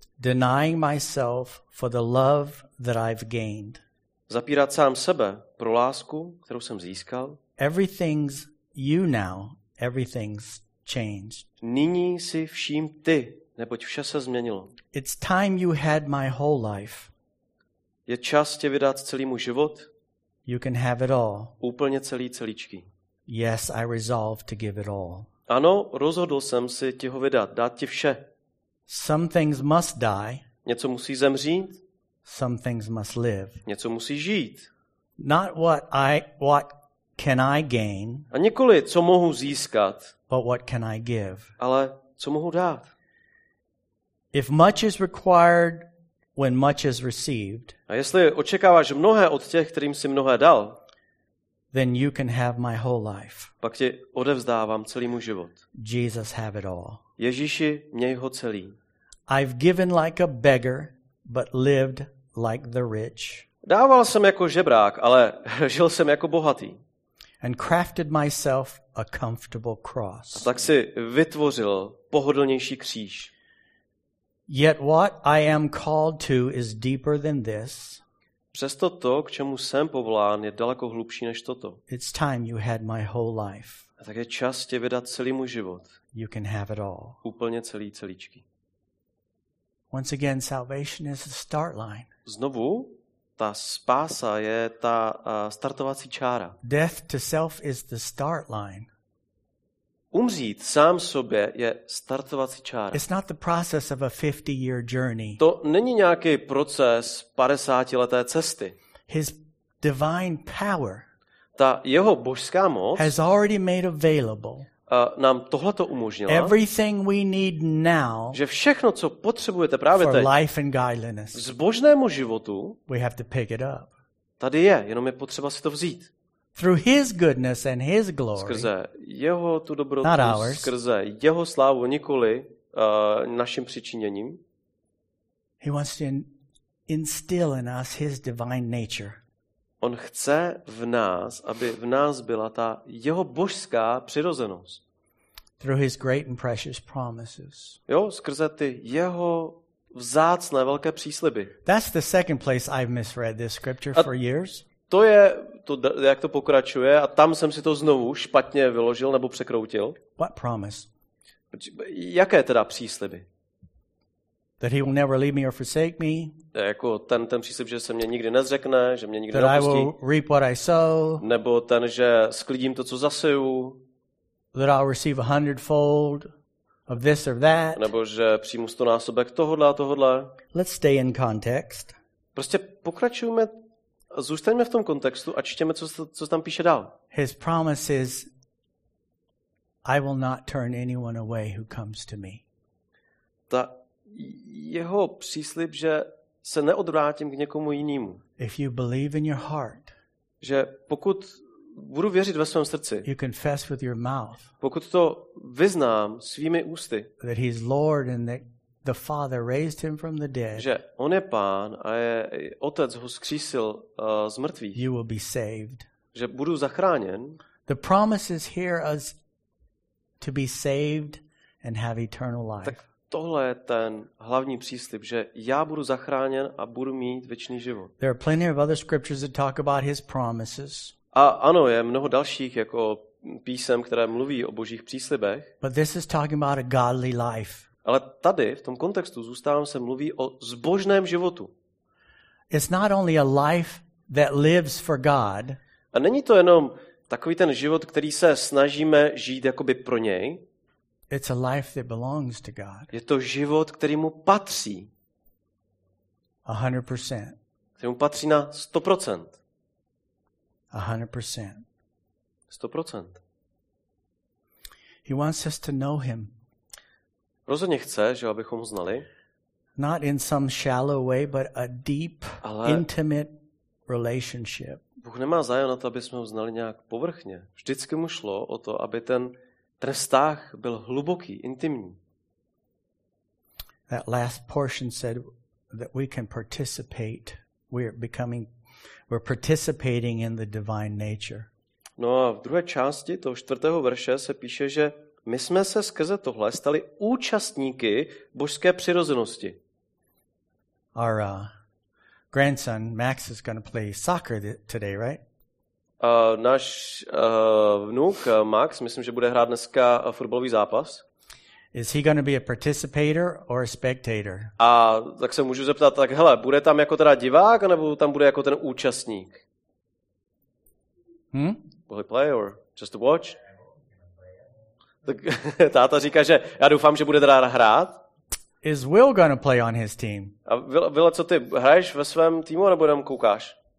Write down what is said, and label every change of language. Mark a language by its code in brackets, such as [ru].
[en] Denying myself for the love that I've gained. [cs] Zapírat sám sebe pro lásku, kterou jsem získal. [en] Everything's you now, everything's changed. [cs] Nyní jsi vším ty, neboť vše se změnilo. [en] It's time you had my whole life. [cs] Je čas tě vydat celý můj život. [en] You can have it all. [cs] Úplně celý celičky. [en] Yes, I resolved to give it all. [cs] Ano, rozhodl jsem si ti ho vydat, dát ti vše. [en] Some things must die. [cs] Něco musí zemřít. [en] Some things must live. [cs] Něco musí žít. [en] Not what can I gain. [cs] A nikoli, co mohu získat. [en] But what can I give. [cs] Ale co mohu dát. [en] If much is required when much is received. [cs] A jestli očekáváš mnohé od těch, kterým si mnohé dal. [en] Then you can have my whole life. [cs] Pak ti odevzdávám celý můj život. [en] Jesus, have it all. [cs] Ježíši, měj ho celý. [en] I've given like a beggar, but lived like the rich. [cs] Dával jsem jako žebrák, ale žil jsem jako bohatý. [en] And crafted myself a comfortable cross. [cs] A tak si vytvořil pohodlnější kříž. [en] Yet what I am called to is deeper than this. [cs] Přesto to, k čemu jsem povolán, je daleko hlubší než toto. [en] It's time you had my whole life. [cs] A tak je čas tě vydat celý můj život. [en] You can have it all. [cs] Úplně celý celičky. [en] Once again, salvation is the start line. [cs] Znovu, ta spása je ta startovací čára. [en] Death to self is the start line. [cs] Umřít sám sobě je startovací čára. [en] It's not the process of a 50-year journey. [cs] To není nějaký proces 50leté cesty. [en] His divine power. [cs] Ta jeho božská moc [en] has already made available. [cs] Nám tohle to umožnila. [en] Everything we need now. [cs] Že všechno, co potřebujete právě teď. [en] For life and godliness. [cs] Zbožnému životu. [en] We have to pick it up. [cs] Tady je, jenom je potřeba si to vzít. [en] Through his goodness and his glory. [cs] Skrze jeho tu dobrotu, skrze jeho slávu, nikoli naším přičiněním. [en] He wants to instill in us his divine nature. [cs] On chce v nás, aby v nás byla ta jeho božská přirozenost. [en] Through his great and precious promises. [cs] Jo, skrze ty jeho vzácné velké přísliby. [en] That's the second place I've misread this scripture for years. [cs] To je to, jak to pokračuje, a tam jsem si to znovu špatně vyložil nebo překroutil. [en] What promise? [cs] Jaké teda přísliby? [en] That he will never leave me or forsake me. [cs] Jako ten příslib, že se mě nikdy nezřekne, že mě nikdy [en] that [cs] nepustí. [en] I will reap what I sow. [cs] Nebo ten, že sklidím to, co zaseju. [en] That I'll receive a hundredfold of this or that. [cs] Nebo že přijmu stonásobek tohodle a tohodle. [en] Let's stay in context. [cs] Prostě pokračujeme. Zůstaňme v tom kontextu a čtěme, co tam píše dál. [en] His promise is, I will not turn anyone away who comes to me. [cs] Ta jeho příslib, že se neodvrátím k někomu jinému. [en] If you believe in your heart, [cs] že pokud budu věřit ve svém srdci, [en] you confess with your mouth, [cs] pokud to vyznám svými ústy, [en] that he's Lord and that the Father raised him from the dead. [cs] Že on je Pán a je Otec ho vzkřísil z mrtvých. [en] You will be saved. [cs] Že budu zachráněn. [en] The promise is here as to be saved and have eternal life. [cs] Tak tohle je ten hlavní příslib, že já budu zachráněn a budu mít věčný život. [en] There are plenty of other scriptures that talk about his promises. [cs] A ano, je mnoho dalších jako písem, které mluví o božích příslibech. [en] But this is talking about a godly life. [cs] Ale tady, v tom kontextu, zůstávám se, mluví o zbožném životu. [en] It's not only a life that lives for God. [cs] A není to jenom takový ten život, který se snažíme žít jakoby pro něj. [en] It's a life that belongs to God. [cs] Je to život, který mu patří. [en] 100%. [cs] Který mu patří na 100%. [en] 100%. [cs] 100%. [en] He wants us to know him. [cs] Rozhodně chce, že abychom ho znali. [en] Not in some shallow way, but a deep, intimate relationship. [cs] Bůh nemá zájem na to, aby jsme ho znali nějak povrchně. Vždycky mu šlo o to, aby ten vztah byl hluboký, intimní. [en] That last portion said that we can participate. We're participating in the divine nature. [cs] No a v druhé části toho čtvrtého verše se píše, že my jsme se skrze tohle stali účastníky božské přirozenosti. [en] Our grandson Max is going to play soccer today, right? [cs] Náš vnuk Max, myslím, že bude hrát dneska fotbalový zápas. [en] Is he going to be a participator or a spectator? [cs] A tak se můžu zeptat, tak hele, bude tam jako teda divák, nebo tam bude jako ten účastník? Hmm? [en] Will he play or just watch? [cs] Tak táta říká, že já doufám, že bude teda hrát. [en] Is Will going to play on his team? [cs] A Will, co ty, hraješ ve svém týmu, nebo jenom koukáš?